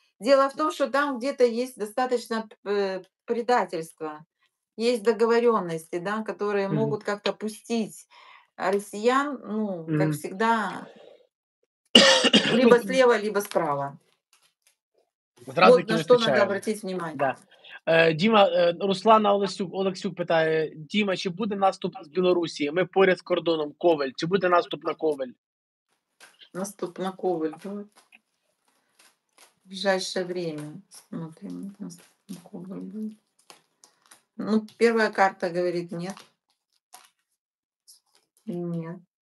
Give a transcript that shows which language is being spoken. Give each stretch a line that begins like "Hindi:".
Russian: Дело в том, что там где-то есть достаточно предательства. есть договоренности, да, которые могут как-то пустить россиян, ну, как всегда, либо слева, либо справа. Сразу вот на что надо обратить внимание. Да.
Ukrainian: Діма, Руслана Олексюк питає: Діма, чи буде наступ з Білорусі? Ми поряд з кордоном. Ковель. Чи буде наступ на Ковель? Наступ на Ковель, так. В ближайше время. Смотрим. Наступ на Ковель буде. Ну, перша карта говорить нет.
Russian: Нет.